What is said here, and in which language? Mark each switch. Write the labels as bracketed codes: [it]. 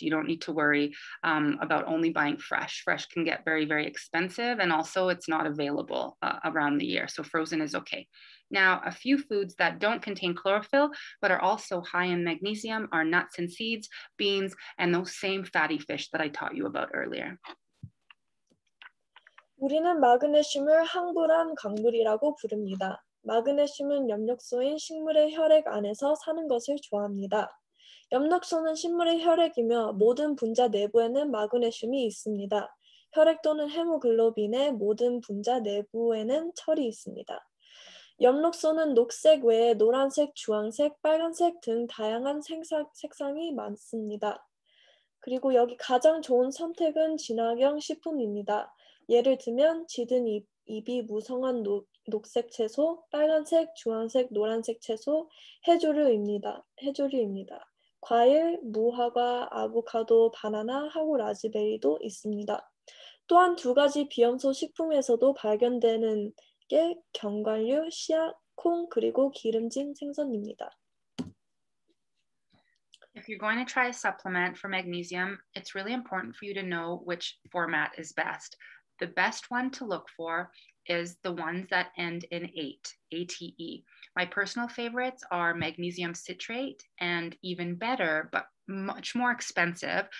[en] You don't need to worry about only buying fresh. Fresh can get very, very expensive, and also it's not available around the year. So frozen is okay. Now, a few foods that don't contain chlorophyll but are also high in magnesium are nuts and seeds, beans, and those same fatty fish that I taught you about earlier. [ko] 우리는 마그네슘을 항불안 광물이라고 부릅니다. 마그네슘은 염력소인 식물의 혈액 안에서 사는 것을 좋아합니다. 염력소는 식물의 혈액이며 모든 분자 내부에는 마그네슘이 있습니다. 혈액 또는 헤모글로빈의 모든 분자 내부에는 철이 있습니다. 염력소는 녹색 외에 노란색, 주황색, 빨간색 등 다양한 색상이 많습니다. 그리고 여기 가장 좋은 선택은 진화경 식품입니다. 예를 들면 짙은 잎이 무성한 녹색 채소, 빨간색, 주황색, 노란색 채소, 해조류입니다. 과일, 무화과, 아보카도, 바나나, 하고 라즈베리도 있습니다. 또한 두 가지 비염소 식품에서도 발견되는 게 견과류, 씨앗, 콩, 그리고 기름진 생선입니다. [en] If you're going to try a supplement for magnesium, it's really important for you to know which format is best. The best one to look for is the ones that end in 8, A-T-E. My personal favorites are magnesium citrate, and even better, but much more expensive.